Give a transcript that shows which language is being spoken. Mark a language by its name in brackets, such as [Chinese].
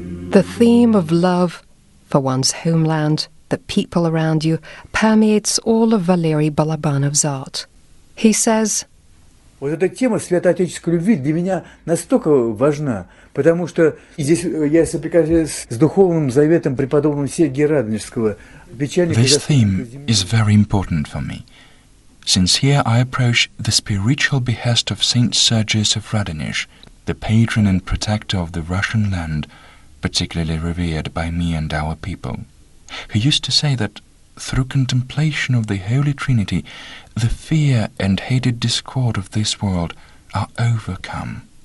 [English] The theme of love for one's homeland, the people around you, permeates all of Valery Balabanov's art. He says, [Russian] "Вот эта тема святоотеческой любви для меня настолько важна, потому что здесь я соприкасаюсь с духовным заветом преподобного Сергия Радонежского, печальный. [English] This theme is very important for me, since here I approach the spiritual behest of Saint Sergius of Radonezh, the patron and protector of the Russian land, particularly revered by me and our people, who used to say that through contemplation of the Holy Trinity, the fear and hated discord of this world are overcome.